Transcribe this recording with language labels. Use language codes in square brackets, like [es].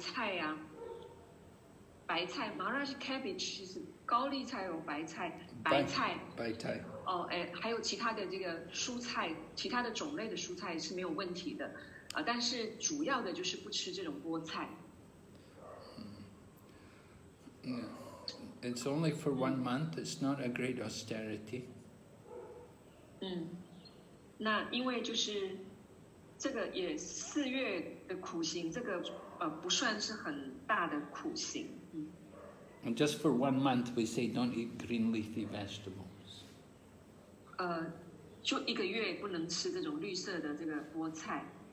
[zh] 你还是可以吃其他的蔬菜的，比方说，这种白菜呀，白菜 ，Maharaj cabbage 是高丽菜哦，白菜，白菜，还有其他的这个蔬菜，其他的种类的蔬菜是没有问题的，但是主要的就是不吃这种菠菜。 [en] It's only for 1 month, it's not a great austerity. [zh] 那因为就是这个也四月的苦行，这个不算是很大的苦行。 [en] And just for 1 month, we say don't eat green leafy vegetables. [zh] 就一个月不能吃这种绿色的这个菠菜。